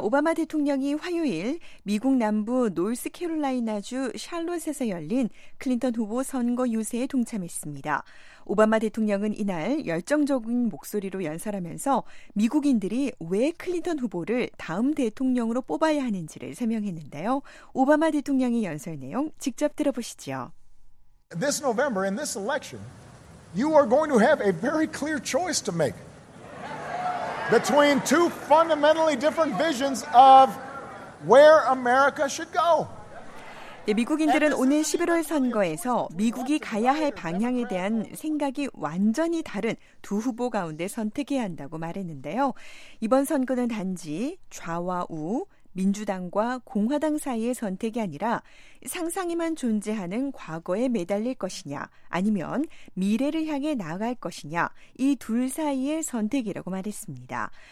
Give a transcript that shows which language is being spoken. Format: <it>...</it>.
<ko>오바마 대통령이 화요일 미국 남부 노스캐롤라이나주 샬롯에서 열린 클린턴 후보 선거 유세에 동참했습니다. 오바마 대통령은 이날 열정적인 목소리로 연설하면서 미국인들이 왜 클린턴 후보를 다음 대통령으로 뽑아야 하는지를 설명했는데요. 오바마 대통령의 연설 내용 직접 들어보시죠.</ko> <en>This November, in this election, you are going to have a very clear choice to make between two fundamentally different visions of where America should go.</en> <ko>네, 미국인들은 오늘 11월 선거에서 미국이 가야 할 방향에 대한 생각이 완전히 다른 두 후보 가운데 선택해야 한다고 말했는데요. 이번 선거는 단지 좌와 우, 민주당과 공화당 사이의 선택이 아니라 상상에만 존재하는 과거에 매달릴 것이냐 아니면 미래를 향해 나아갈 것이냐 이 둘 사이의 선택이라고 말했습니다.</ko>